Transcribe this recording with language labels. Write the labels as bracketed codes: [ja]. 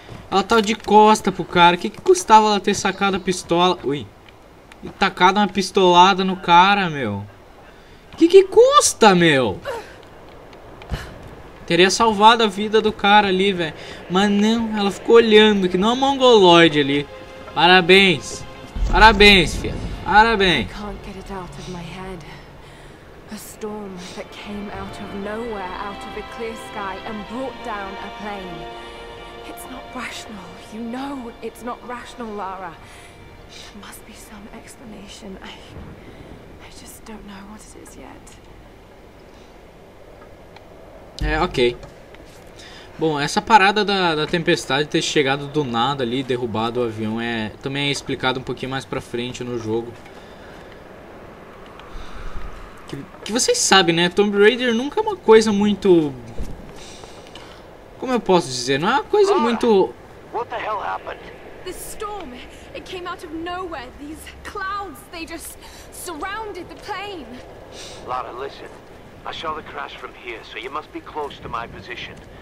[pt] Ela tava de costa pro cara. O que, que custava ela ter sacado a pistola? Ui. E tacado uma pistolada no cara, meu. O que, que custa, meu? Teria salvado a vida do cara ali, velho. Mas não. Ela ficou olhando. Que não é mongoloide ali. Parabéns. Parabéns, filha. Parabéns. [en] I can't get it out of my head. A storm that came out of nowhere, out of a clear sky, and brought down a plane. It's not rational. You know it's not rational, Lara. There must be some explanation. I just don't know what it is yet. [pt] É, ok. Bom, essa parada da tempestade ter chegado do nada ali, derrubado o avião, também é explicado um pouquinho mais pra frente no jogo. Que vocês sabem, né? Tomb Raider nunca é uma coisa muito... Como eu posso dizer? Não é uma coisa muito... [en] What the hell happened? The storm, it came out of nowhere. These clouds, they just surrounded the plane. Lara, listen. I saw the crash from here, so you must be close to my position.